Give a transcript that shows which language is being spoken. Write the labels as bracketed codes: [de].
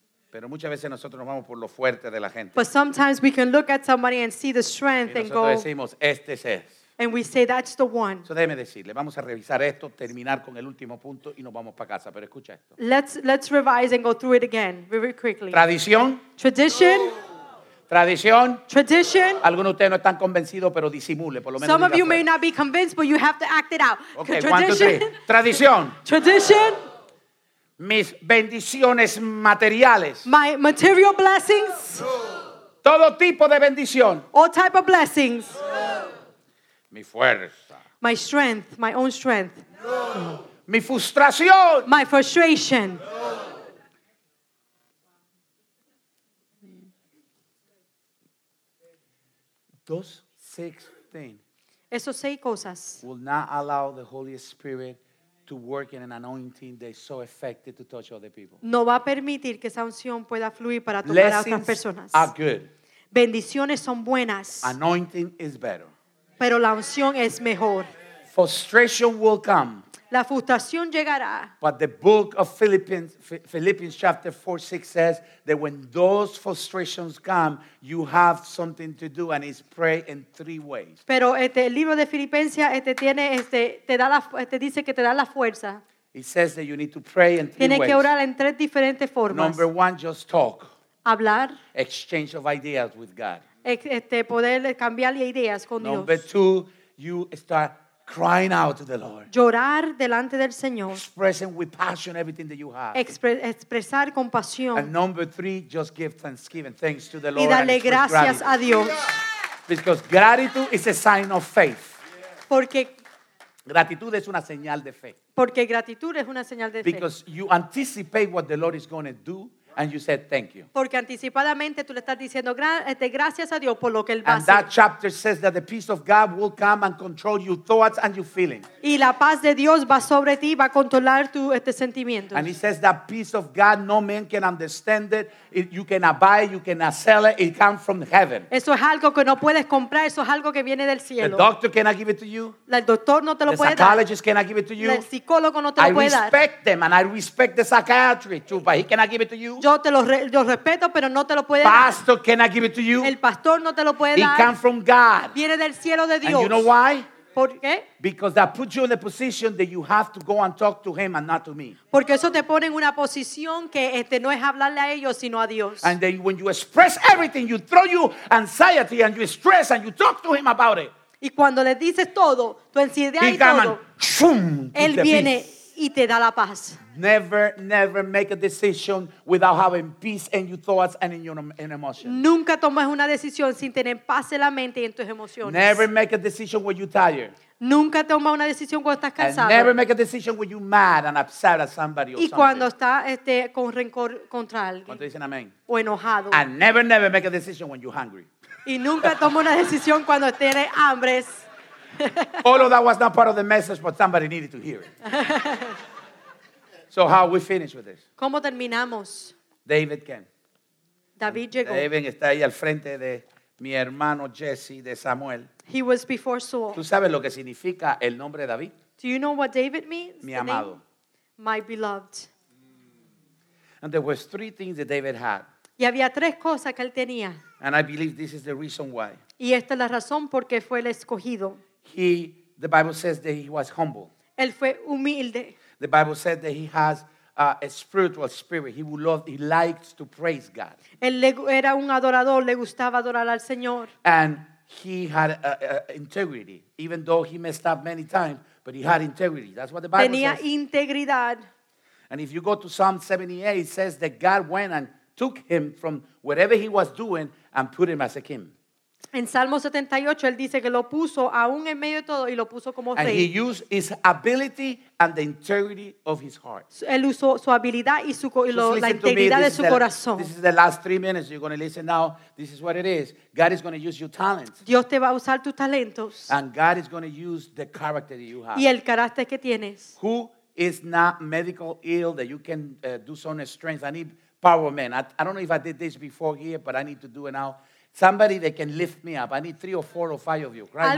[es] Pero muchas veces nosotros nos vamos por lo fuerte de la gente. [en] But sometimes we can look at somebody and see the strength and go. [es] Y nosotros decimos, este es. [en] And we say, that's the one. [es] So déjeme decirle, vamos a revisar esto, terminar con el último punto y nos vamos para casa. Pero escucha esto. [en] Let's revise and go through it again, very quickly. [es] Tradición. [en] Tradition. [es] Tradición. [en] Tradition. [es] Algunos de ustedes no están convencidos, pero disimule, por lo menos. [en] Some of you may not be convinced, but you have to act it out. [es] Okay, tradición. Tradición. [en] Tradition. [es] Mis bendiciones materiales. [en] My material blessings. [es] Todo tipo de bendición. [en] All type of blessings. [es] Mi fuerza. [en] My strength, my own strength. [es] Mi frustración. My frustration. Dos, 16. Esos seis cosas. [en] Will not allow the Holy Spirit to work in an anointing that is so effective to touch other people. [es] No va a permitir que esa unción pueda fluir para tocar a otras personas. [en] Blessings are good. [es] Bendiciones son buenas. [en] Anointing is better. [es] Pero la unción es mejor. [en] Frustration will come. [es] La frustración llegará. [en] But the book of Philippians chapter 4, 6 says that when those frustrations come, you have something to do, and it's pray in three ways. [es] Pero el libro de Filipenses te dice que te da la fuerza. [en] It says that you need to pray in three [es] Tienes [en] ways. [es] Tienes que orar en tres diferentes formas. [en] Number one, just talk. [es] Hablar. [en] Exchange of ideas with God. [es] Poder cambiar ideas con [en] Number [es] Dios. [en] Number two, you start crying out to the Lord. [es] Llorar delante del Señor. [en] Expressing with passion everything that you have. [es] Expresar con pasión. [en] And number three, just give thanksgiving, thanks to the Lord. [es] Y darle gracias a Dios. [en] Because gratitude is a sign of faith. [es] Porque gratitud es una señal de fe. Porque gratitud es una señal de fe. [en] Because you anticipate what the Lord is going to do, and you said thank you. [es] Porque anticipadamente tú le estás diciendo gracias a Dios por lo que él va a hacer. [en] And that chapter says that the peace of God will come and control your thoughts and your feelings. [es] Y la paz de Dios va sobre ti, va a controlar tu sentimientos. [en] And he says that peace of God, no man can understand it. You cannot buy it, you cannot sell it. It comes from heaven. [es] Eso es algo que no puedes comprar. Eso es algo que viene del cielo. [en] The doctor cannot give it to you. [es] El doctor no te lo puede dar. [en] The psychologist cannot give it to you. [es] El psicólogo no te lo puede dar. [en] I respect them and I respect the psychiatry too, but he cannot give it to you. [es] Yo te lo respeto, pero no te lo puede pastor, [en] Pastor cannot give it to you. [es] El pastor no te lo puede [en] it [es] dar. [en] It comes from God. [es] Viene del cielo de Dios. [en] And you know why? [es] ¿Por qué? [en] Because that puts you in the position that you have to go and talk to him and not to me. [es] Porque eso te pone en una posición que no es hablarle a ellos, sino a Dios. [en] And then when you express everything, you throw your anxiety and your stress and you talk to him about it. [es] Y cuando le dices todo, tu ansiedad y todo, él viene y te da la paz. [en] Never make a decision without having peace in your thoughts and in your emotions. [es] Nunca tomes una decisión sin tener paz en la mente y en tus emociones. [en] Never make a decision when you're tired. [es] Nunca toma una decisión cuando estás cansado. [en] And never make a decision when you're mad and upset at somebody or [es] y cuando estás con rencor contra alguien. ¿Cuánto dicen amén? O enojado. [en] And never make a decision when you're hungry. [es] Y nunca toma una decisión cuando tienes hambre. [en] All of that was not part of the message, but somebody needed to hear it. So how we finish with this? [es] ¿Cómo terminamos? [en] David came. [es] David llegó. David está ahí al frente de mi hermano Jesse de Samuel. [en] He was before Saul. [es] ¿Tú sabes lo que significa el nombre David? [en] Do you know what David means? [es] Mi amado. [en] My beloved. And there were three things that David had. [es] Y había tres cosas que él tenía. [en] And I believe this is the reason why. [es] Y esta es la razón por qué fue el escogido. [en] The Bible says that he was humble. [es] Él fue humilde. [en] The Bible said that he has a spiritual spirit. He likes to praise God. [es] Él era un adorador, le gustaba adorar al Señor. [en] And he had integrity, even though he messed up many times, but he had integrity. That's what the Bible [es] tenía [en] says. [es] Tenía integridad. [en] And if you go to Psalm 78, it says that God went and took him from whatever he was doing and put him as a king. [es] En Salmo 78, él dice que lo puso aún en medio de todo y lo puso como [en] and [es] rey. [en] And he used his ability and the integrity of his heart. [es] Él usó su habilidad y la integridad de su corazón. [en] This is the last 3 minutes you're going to listen now. This is what it is. God is going to use your talents. [es] Dios te va a usar tus talentos. [en] And God is going to use the character that you have. [es] Y el carácter que tienes. [en] Who is not medical ill that you can do some strength? I need power, man. I don't know if I did this before here, but I need to do it now. Somebody that can lift me up. I need 3 or 4 or 5 of you right